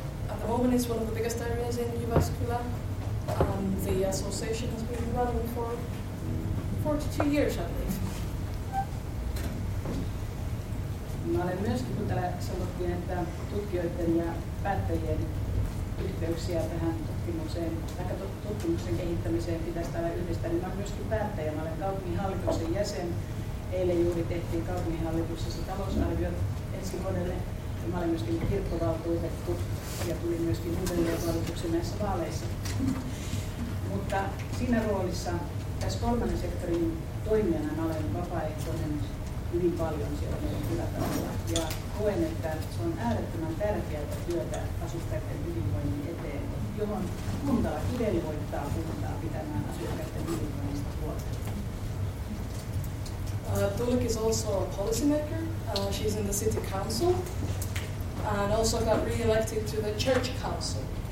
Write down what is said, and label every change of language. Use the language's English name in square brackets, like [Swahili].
[English] At the moment, it's one of the biggest areas in Jyväskylä. The association has been running for 42 years, I believe. [Finnish] Mä olen myöskin, kun täällä sanottiin, että tutkijoiden ja päättäjien yhteyksiä tähän tutkimukseen, vaikka tutkimuksen kehittämiseen pitäisi täällä yhdistää, niin mä olen myöskin päättäjä. Mä olen kaupunginhallituksen jäsen. Eilen juuri tehtiin kaupunginhallituksessa talousarviot ensi vuodelle. Mä olen myöskin kirkkovaltuutettu ja tulin myöskin uudelleenvalituksen näissä vaaleissa. Mutta siinä roolissa tässä kolmannen sektorin toimijana mä olen vapaaehtoinen hyvin paljon siellä meidän kylätasolla. Ja koen, että se on äärettömän tärkeää työtä asukkaiden hyvinvoinnin eteen, johon kuntaa kivelivoittaa kuntaa pitämään asukkaiden hyvinvoinnista huolta. [English] Tulik is also a policymaker. She's in the city council and also got re-elected to the church council.